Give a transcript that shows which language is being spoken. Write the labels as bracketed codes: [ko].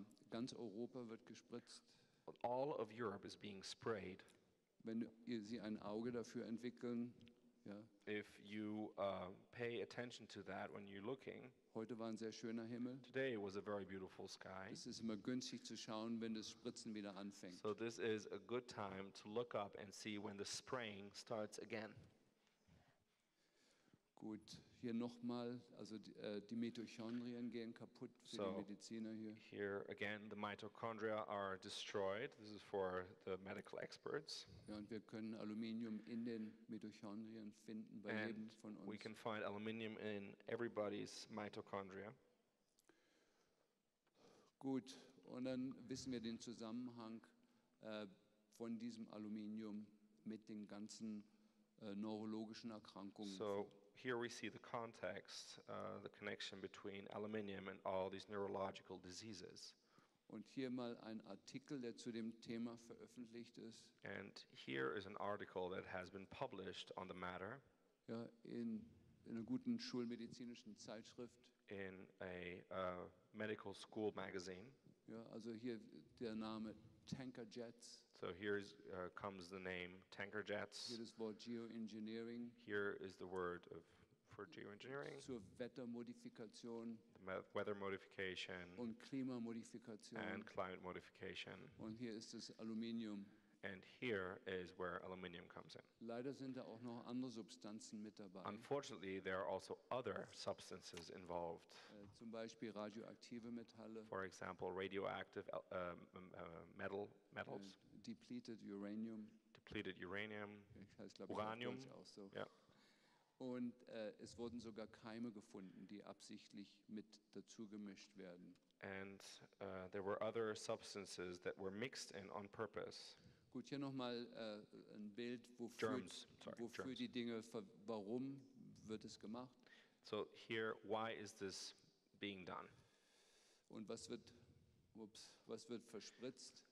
[de] Ganz Europa wird gespritzt. [en] All of Europe is being sprayed. [de] Wenn Sie ein Auge dafür entwickeln, ja. [en] If you pay attention to that when you're looking. [de] Heute war ein sehr schöner Himmel. [en] Today was a very beautiful sky. [de] Es ist immer günstig zu schauen, wenn das Spritzen wieder anfängt. [en] So this is a good time to look up and see when the spraying starts again. [de] Gut, hier nochmal, also die Mitochondrien gehen kaputt für [en] so [de] die Mediziner hier. [en] Here again, the mitochondria are destroyed. This is for the medical experts. [de] Ja, und wir können Aluminium in den Mitochondrien finden bei [en] and [de] jedem von uns. [en] We can find aluminium in everybody's mitochondria. [de] Gut, und dann wissen wir den Zusammenhang von diesem Aluminium mit den ganzen neurologischen Erkrankungen. [en] So here we see the context, the connection between aluminium and all these neurological diseases. [de] Und hier mal ein Artikel, der zu dem Thema veröffentlicht ist. [en] And here is an article that has been published on the matter. [de] Ja, in einer guten schulmedizinischen Zeitschrift. [en] In a medical school magazine. [de] Ja, also hier der Name Tanker Jets. [en] So here is, comes the name Tanker Jets. [de] Hier das Wort Geoengineering. [en] Here is the word of, for geoengineering. [de] Zur Wettermodifikation. [en] The weather modification. [de] Und Klimamodifikation. [en] And climate modification. [de] Und hier ist das Aluminium. [en] And here is where aluminium comes in. [de] Leider sind da auch noch andere Substanzen mit dabei. [en] Unfortunately, there are also other substances involved. [de] Zum Beispiel radioaktive Metalle. [en] For example, radioactive metals. Depleted uranium. Depleted uranium. Uranium. So. Yeah. [de] Und es wurden sogar Keime gefunden, die absichtlich mit dazu gemischt werden. [en] And there were other substances that were mixed in on purpose. [de] Gut, hier nochmal ein Bild, wofür, [en] germs, sorry, [de] wofür die Dinge, warum wird es gemacht? [en] So here, why is this being done? [de] Und was wird verspritzt?